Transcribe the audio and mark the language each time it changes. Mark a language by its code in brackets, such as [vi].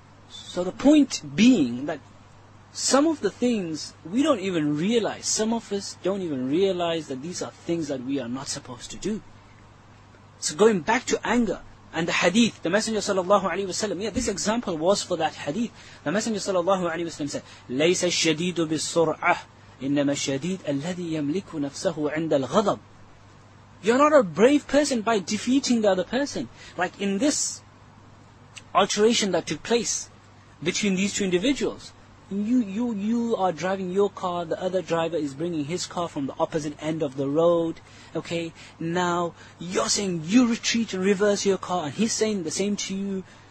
[en] So the point being that some of the things we don't even realize, some of us don't even realize that these are things that we are not supposed to do. So going back to anger, and the hadith, the Messenger sallallahu alaihi wasallam, yeah, this example was for that hadith. The Messenger sallallahu alaihi wasallam said, [ar] لَيْسَ الشَّدِيدُ بِالسُّرْعَةِ إِنَّمَا الشَّدِيدُ الَّذِي يَمْلِكُ نَفْسَهُ عِنْدَ الْغَضَبِ. [en] You're not a brave person by defeating the other person. Like in this alteration that took place between these two individuals, you are driving your car, the other driver is bringing his car from the opposite end of the road. Okay, now you're saying you retreat and reverse your car, and he's saying the same to you.